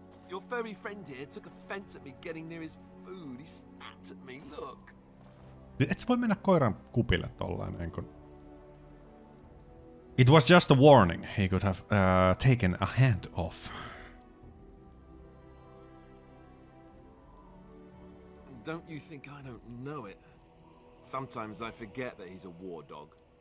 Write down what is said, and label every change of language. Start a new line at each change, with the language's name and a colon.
English: Your furry friend here took offense at me getting near his food. He snapped at me, look.
Finnish: Et sä voi mennä koiran kupille tolleen, enkö?
English: It was just a warning. He could have taken a hand off. Don't you think I don't know it? Sometimes I forget that he's a war dog.